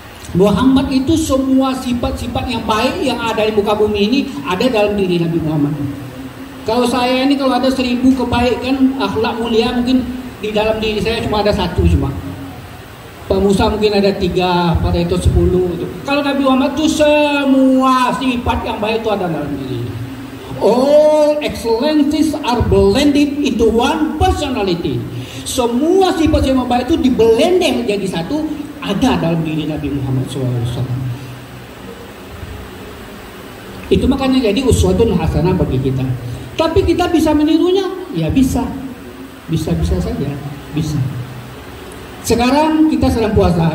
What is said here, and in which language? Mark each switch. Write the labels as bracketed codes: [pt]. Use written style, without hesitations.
[id] Muhammad itu semua sifat-sifat yang baik yang ada di muka bumi ini ada dalam diri Nabi Muhammad. Kalau saya ini, kalau ada 1000 kebaikan akhlak mulia, mungkin di dalam diri saya cuma ada 1 cuma. Pak Musa mungkin ada 3, pada itu 10. Kalau Nabi Muhammad itu semua sifat yang baik itu ada dalam diri. [en] All excellences are blended into one personality. [id] Semua sifat-sifat yang baik itu diblendeh menjadi satu, ada dalam diri Nabi Muhammad SAW. Itu makanya jadi uswatun hasanah bagi kita. Tapi kita bisa menirunya? Ya bisa. Bisa-bisa saja. Bisa. Sekarang kita sedang puasa.